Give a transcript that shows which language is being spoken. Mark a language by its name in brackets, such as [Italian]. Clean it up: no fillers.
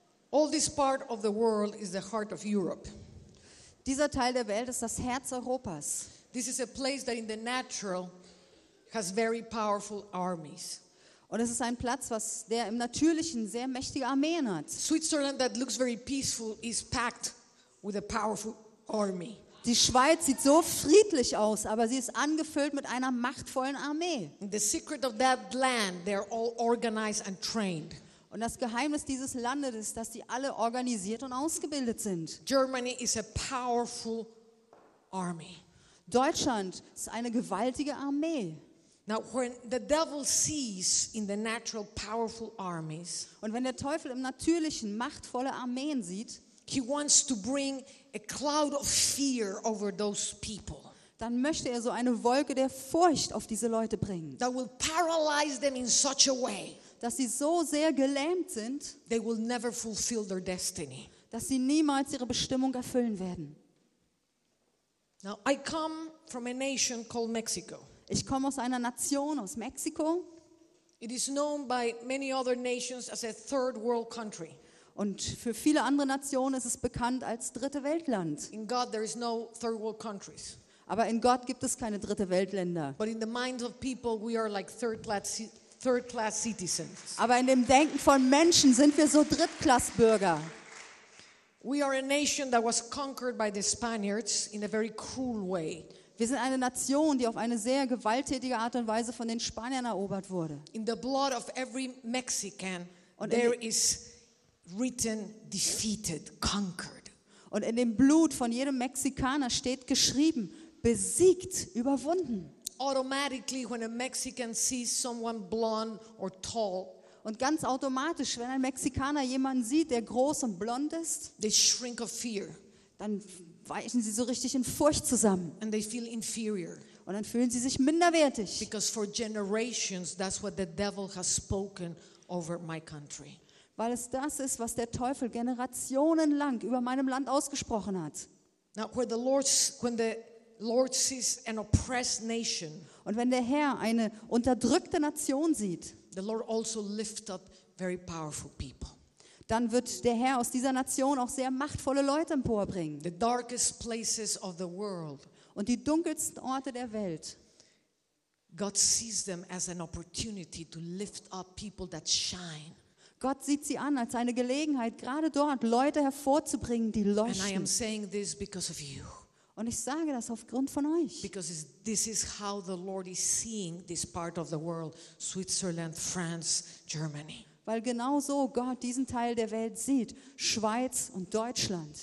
[English] All this part of the world is the heart of Europe. [German] Dieser Teil der Welt ist das Herz Europas. [English] This is a place that in the natural has very powerful armies. [German] Und es ist ein Platz, was der im Natürlichen sehr mächtige Armeen hat. [English] Switzerland that looks very peaceful is packed with a powerful army. [German] Die Schweiz sieht so friedlich aus, aber sie ist angefüllt mit einer machtvollen Armee. [English] In the secret of that land, they are all organized and trained. [German] Und das Geheimnis dieses Landes ist, dass die alle organisiert und ausgebildet sind. [English] Germany is a powerful army. [German] Deutschland ist eine gewaltige Armee. [English] Now when the devil sees in the natural powerful armies, [German] und wenn der Teufel im natürlichen machtvolle Armeen sieht, [English] he wants to bring a cloud of fear over those people. [German] Dann möchte er so eine Wolke der Furcht auf diese Leute bringen. [English] That will paralyze them in such a way. [German] Dass sie so sehr gelähmt sind, [English] they will never fulfill their destiny. [German] Dass sie niemals ihre Bestimmung erfüllen werden. [English] Now I come from a nation called Mexico. [German] Ich komme aus einer Nation, aus Mexiko. [English] It is known by many other nations as a third world country. [German] Und für viele andere Nationen ist es bekannt als dritte Weltland. [English] In God there is no third world countries. [German] Aber in Gott gibt es keine dritte Weltländer. [English] But in the minds of people we are like third class citizens. [German] Aber in dem Denken von Menschen sind wir so Drittklassbürger. [English] We are a nation that was conquered by the Spaniards in a very cruel way. [German] Wir sind eine Nation, die auf eine sehr gewalttätige Art und Weise von den Spaniern erobert wurde. [English] In the blood of every Mexican there is written defeated, conquered. [German] Und in dem Blut von jedem Mexikaner steht geschrieben, besiegt, überwunden. [English] Automatically when a Mexican sees someone blond or tall, [German] und ganz automatisch, wenn ein Mexikaner jemanden sieht, der groß und blond ist, [English] they shrink of fear. [German] Dann weichen sie so richtig in Furcht zusammen. [English] And they feel inferior. [German] Und dann fühlen sie sich minderwertig. [English] Because for generations, that's what the devil has spoken over my country. [German] Weil es das ist, was der Teufel generationenlang über meinem Land ausgesprochen hat. [English] Now, where the Lord, when the Lord sees an oppressed nation, [German] und wenn der Herr eine unterdrückte Nation sieht, [English] the Lord also lifts up very powerful people. [German] Dann wird der Herr aus dieser Nation auch sehr machtvolle Leute emporbringen. [English] The darkest places of the world. [German] Und die dunkelsten Orte der Welt. [English] God sees them as an opportunity to lift up people that shine. [German] Gott sieht sie an als eine Gelegenheit, gerade dort Leute hervorzubringen, die leuchten. [English] And I am saying this because of you. [German] Und ich sage das aufgrund von euch. [English] Because this is how the Lord is seeing this part of the world, Switzerland, France, Germany. [German] Weil genau so Gott diesen Teil der Welt sieht, Schweiz und Deutschland.